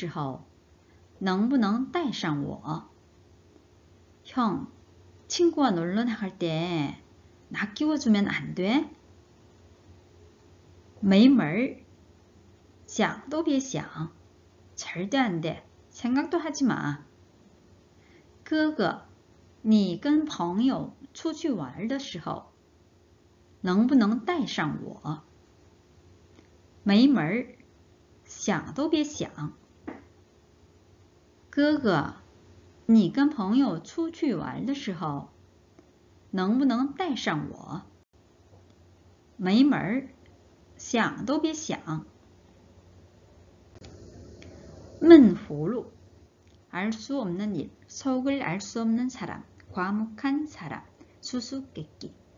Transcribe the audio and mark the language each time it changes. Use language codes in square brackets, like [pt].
[zh] 我可没门路。哥哥，你跟朋友出去玩的时候，能不能带上我？ [ko] 형, 친구와 놀러 나갈 때, 나 끼워주면 안 돼? [zh] 没门儿，想都别想， [ko] 절대 안 돼. 생각도 하지 마. [zh] 哥哥，你跟朋友出去玩的时候， 能不能带上我? 没门儿，想都别想。哥哥，你跟朋友出去玩的时候，能不能带上我? 没门儿，想都别想。闷葫芦， [ko] 알 수 없는 일, 속을 알 수 없는 사람, 과묵한 사람, 수수께끼.